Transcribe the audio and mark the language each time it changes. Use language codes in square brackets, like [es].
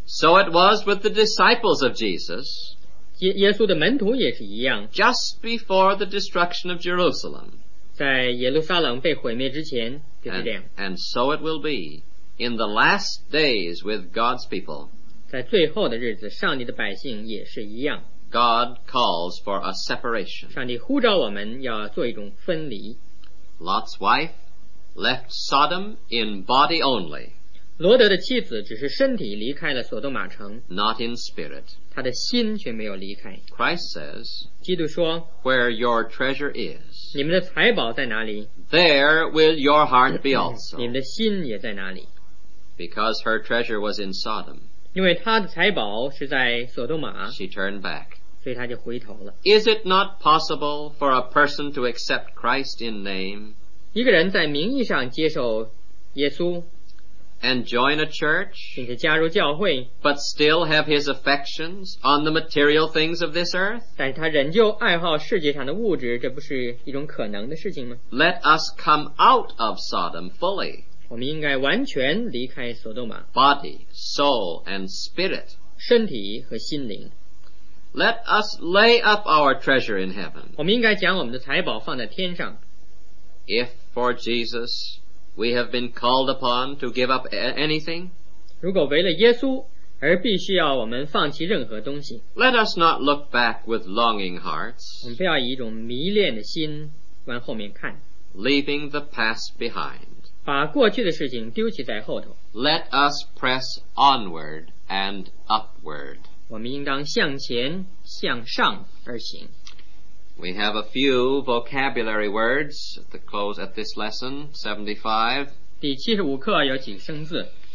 [en] So it was with the disciples of Jesus. [zh] 耶稣的门徒也是一样。 [en] Just before the destruction of Jerusalem. [zh] 在耶路撒冷被毁灭之前就是这样。 [en] And so it will be in the last days with God's people. [zh] 在最后的日子上帝的百姓也是一样。 [en] God calls for a separation. [zh] 上帝呼召我们要做一种分离。 [en] Lot's wife left Sodom in body only. [zh] 罗德的妻子只是身体离开了索多玛城。 [en] Not in spirit. [zh] 他的心却没有离开。 [en] Christ says, [zh] 基督说， [en] Where your treasure is, [zh] 你们的财宝在哪里? [en] There will your heart be also. [zh] 你们的心也在哪里? [en] Because her treasure was in Sodom. [zh] 因为她的财宝是在索多玛。 [en] She turned back. [zh] 所以她就回头了。 [en] Is it not possible for a person to accept Christ in name? [zh] 一个人在名义上接受耶稣。 [en] And join a church. [zh] 并且加入教会。 [en] But still have his affections on the material things of this earth. [zh] 但是他仍旧爱好世界上的物质，这不是一种可能的事情吗？ [en] Let us come out of Sodom fully. [zh] 我们应该完全离开索多玛。 [en] Body, soul, and spirit. [zh] 身体和心灵。 [en] Let us lay up our treasure in heaven. [zh] 我们应该将我们的财宝放在天上。 [en] If for Jesus,We have been called upon to give up anything. [zh] 如果为了耶稣而必须要我们放弃任何东西。 [en] Let us not look back with longing hearts. [zh] 我们不要以一种迷恋的心往后面看。 [en] Leaving the past behind. [zh] 把过去的事情丢弃在后头。 [en] Let us press onward and upward. [zh] 我们应当向前向上而行。 [en] We have a few vocabulary words at the close of this lesson, 75. [zh] 第七十五课有几个生字。